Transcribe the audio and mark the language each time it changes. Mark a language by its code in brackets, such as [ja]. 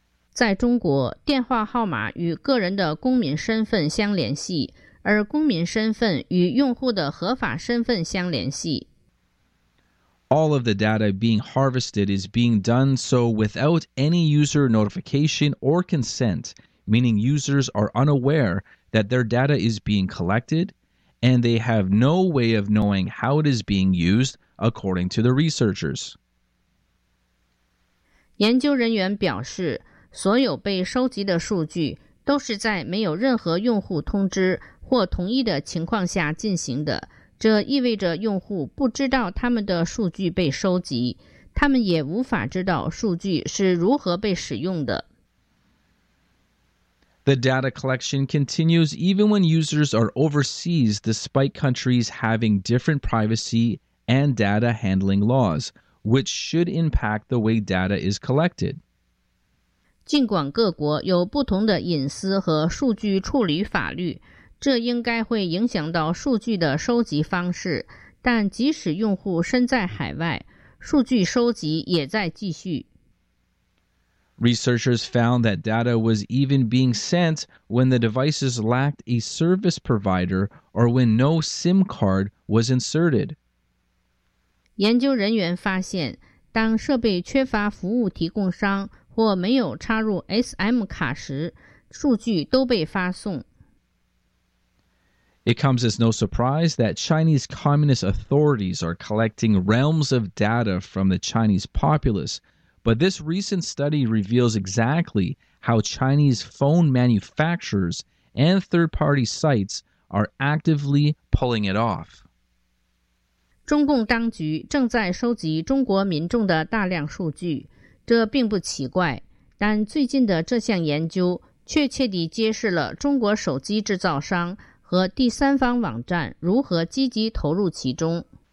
[zh] 在中国，电话号码与个人的公民身份相联系，而公民身份与用户的合法身份相联系。 [en] All of the data being harvested is being done so without any user notification or consent, meaning users are unaware that their data is being collected, and they have no way of knowing how it is being used, according to the researchers. [zh] 研究人员表示，所有被收集的数据都是在没有任何用户通知或同意的情况下进行的，这意味着用户不知道他们的数据被收集，他们也无法知道数据是如何被使用的。 [en] The data collection continues even when users are overseas, despite countries having different privacy and data handling laws, which should impact the way data is collected. [zh] 尽管各国有不同的隐私和数据处理法律，这应该会影响到数据的收集方式，但即使用户身在海外，数据收集也在继续。 [en] Researchers found that data was even being sent when the devices lacked a service provider or when no SIM card was inserted. [zh] 研究人员发现，当设备缺乏服务提供商或没有插入 SIM 卡时，数据都被发送。 [en] It comes as no surprise that Chinese communist authorities are collecting realms of data from the Chinese populace, but this recent study reveals exactly how Chinese phone manufacturers and third-party sites are actively pulling it off. [zh] 中共当局正在收集中国民众的大量数据。这并不奇怪，但最近的这项研究确切地揭示了中国手机制造商和第三方网站如何积极投入其中。